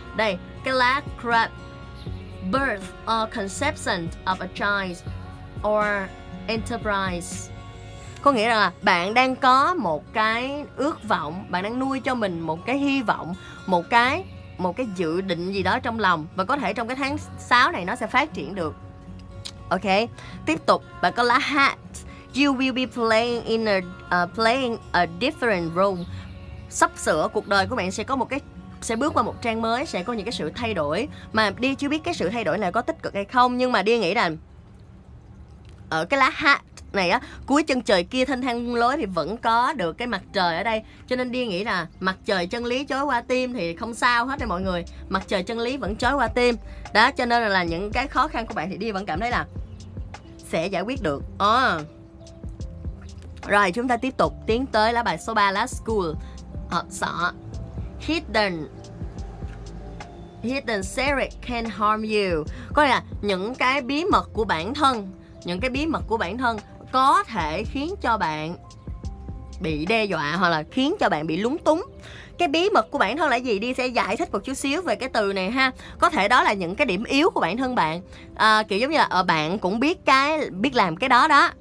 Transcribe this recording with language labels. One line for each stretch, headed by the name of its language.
Vietnamese: Đây, cái lá crab.
English: Birth or conception of a child or enterprise.
Vietnamese: Có nghĩa là bạn đang có một cái ước vọng, bạn đang nuôi cho mình một cái hy vọng, một cái dự định gì đó trong lòng, và có thể trong cái tháng 6 này nó sẽ phát triển được. Ok, tiếp tục, bạn có lá hat.
English: You will be playing in a playing a different role.
Vietnamese: Sắp sửa cuộc đời của bạn sẽ có một cái, sẽ bước qua một trang mới, sẽ có những cái sự thay đổi. Mà Đi chưa biết cái sự thay đổi này có tích cực hay không, nhưng mà Đi nghĩ là ở cái lá hat này á, cuối chân trời kia thênh thang muôn lối thì vẫn có được cái mặt trời ở đây. Cho nên Đi nghĩ là mặt trời chân lý chói qua tim thì không sao hết nè mọi người. Mặt trời chân lý vẫn chói qua tim. Đó, cho nên là những cái khó khăn của bạn thì Đi vẫn cảm thấy là sẽ giải quyết được. À. Rồi, chúng ta tiếp tục tiến tới lá bài số 3, lá school. Sợ.
English: Hidden secret can harm you.
Vietnamese: Có nghĩa là những cái bí mật của bản thân, những cái bí mật của bản thân có thể khiến cho bạn bị đe dọa hoặc là khiến cho bạn bị lúng túng. Cái bí mật của bản thân là gì? Đi sẽ giải thích một chút xíu về cái từ này ha. Có thể đó là những cái điểm yếu của bản thân bạn, kiểu giống như là bạn cũng biết cái, biết làm cái đó đó.